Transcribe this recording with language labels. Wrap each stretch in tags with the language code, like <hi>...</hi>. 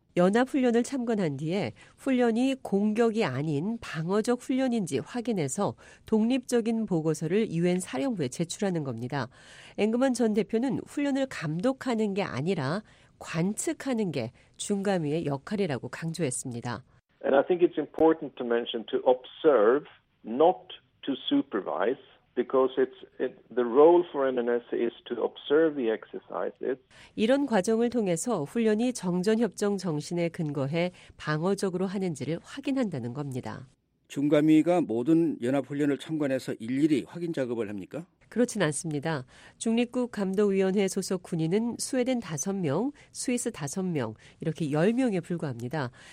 <ko>연합훈련을 참관한 뒤에 훈련이 공격이 아닌 방어적 훈련인지 확인해서 독립적인 보고서를 유엔 사령부에 제출하는 겁니다. 앵그먼 전 대표는 훈련을 감독하는 게 아니라 관측하는 게 중과미의 역할이라고 강조했습니다.</ko> <en>And I think it's important to mention to observe, not to supervise. Because the role for NNS is to observe the exercises.</en> <ko>이런 과정을 통해서 훈련이 정전협정 정신에 근거해 방어적으로 하는지를 확인한다는 겁니다. 중과미가 모든 연합훈련을 참관해서 일일이 확인 작업을 합니까? 그렇진 않습니다. 중립국 감독위원회 소속 군인은 스웨덴 5명, 스위스 5명, 이렇게 10명에 불과합니다.</ko>